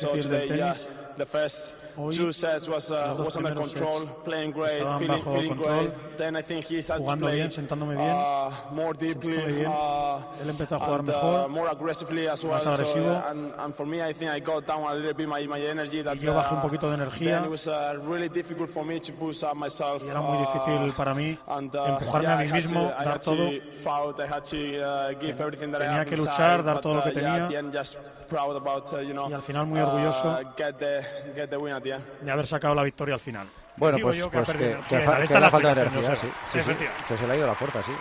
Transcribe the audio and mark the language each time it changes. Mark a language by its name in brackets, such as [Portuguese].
[English] So today, the first two sets was under control, playing great, feeling great. Then I think he started to play more deeply, more aggressively as well. And for me, I think I got down a little bit my energy. Then it was really difficult for me to push up myself. [Spanish] Era muy difícil para mí empujarme a mí mismo, dar todo. [English] I had to give everything that I had. [Spanish] Tenía que luchar, dar todo lo que tenía. [English] Proud about, you know, [Spanish] y al final muy orgulloso [English] get the win at the end. [Spanish] De haber sacado la victoria al final. Bueno, pues que la falta de energía, sí. Que se le ha ido la fuerza, sí.